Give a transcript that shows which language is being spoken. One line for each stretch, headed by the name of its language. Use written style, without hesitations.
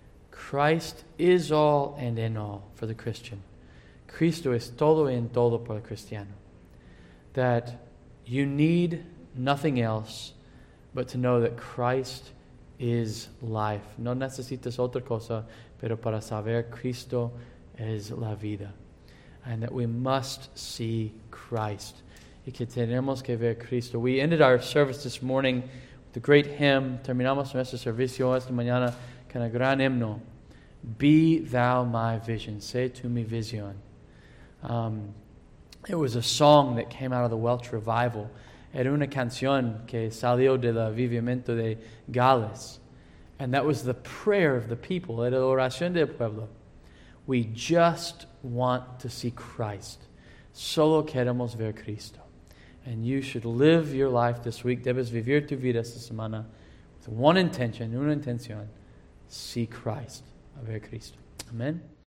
English: Christ is all and in all for the Christian.
Spanish: Cristo es todo y en todo para el cristiano.
English: That you need nothing else but to know that Christ is life.
Spanish: No necesitas otra cosa, pero para saber Cristo es la vida.
English: And that we must see Christ.
Spanish: Y que tenemos que ver Cristo.
English: We ended our service this morning with a great hymn.
Spanish: Terminamos nuestro servicio esta mañana que en el gran himno,
English: "Be thou my vision,
Spanish: sé tú mi visión."
English: It was a song that came out of the Welsh Revival.
Spanish: Era una canción que salió del Avivamiento de Gales.
English: And that was the prayer of the people.
Spanish: Era la oración del pueblo.
English: "We just want to see Christ.
Spanish: Solo queremos ver Cristo."
English: And you should live your life this week.
Spanish: Debes vivir tu vida esta semana
English: with one intention,
Spanish: una intención.
English: See Christ.
Spanish: A ver Cristo. Amen.